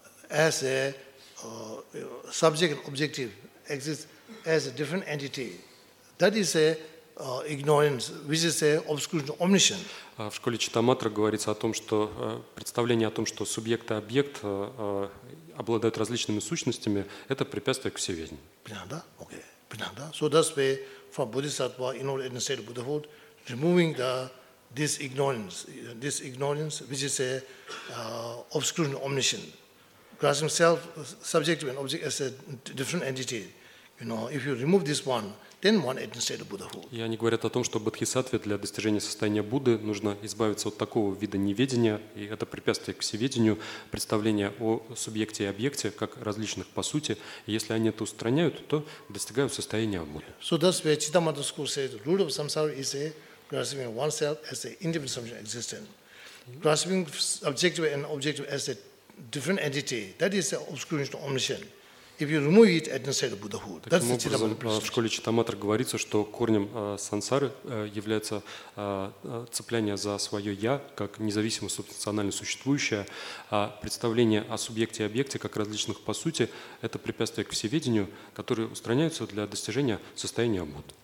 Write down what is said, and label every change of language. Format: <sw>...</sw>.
<en>As a subject and objective exists as a different entity, that is a ignorance, which is a obscuration, omission.</en> <ru>В школе Читаматра говорится о том, что представление о том, что субъект и объект обладают различными сущностями, это препятствие к всеведению. Понятно, да? Okay. Понятно, да?</ru> <en>So that's why from Bodhisattva, in order to state Buddhahood, removing this ignorance, which is a obscuration, omission. Grasping self, subjective and object as a different entity. You know, if you remove this one, then one attains state of Buddhahood.</en> <ru>И они говорят о том, что бодхисаттве для достижения состояния Будды нужно избавиться от такого вида неведения, и это препятствие к всеведению, представление о субъекте и объекте как различных по сути. И если они это устраняют, то достигают состояния Будды.</ru> <en>So that's why Chittamatra school says the root of samsara is a grasping oneself as an independent subject of existence. Grasping subjective and objective as a different entity. That is the obscuration of omission. If you remove it, it's inside the Buddhahood. That's the Chittamatra principle.</en> <ru>В школе Читаматра говорится, что корнем сансары является цепляние за свое я как независимо субстанционально существующее, а представление о субъекте и объекте как различных по сути – это препятствие к всеведению, которые устраняются для достижения состояния Будды.</ru>